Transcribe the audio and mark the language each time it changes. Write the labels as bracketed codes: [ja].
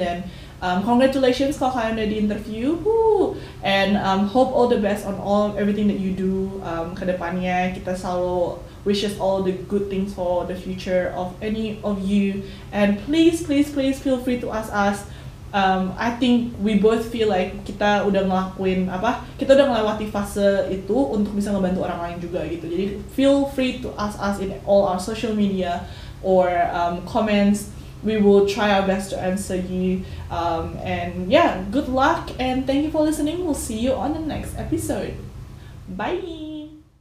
[id] Dan congratulations kalau kalian udah di interview. Woo! [en] And hope all the best on all everything that you do [id] ke depannya. Kita selalu [en] wishes all the good things for the future of any of you. And please, please, please feel free to ask us. I think we both feel like [id] kita udah ngelakuin apa? Kita udah melewati fase itu untuk bisa ngebantu orang lain juga gitu. [en] Jadi feel free to ask us in all our social media or comments. We will try our best to answer you. And yeah, good luck and thank you for listening. We'll see you on the next episode. Bye.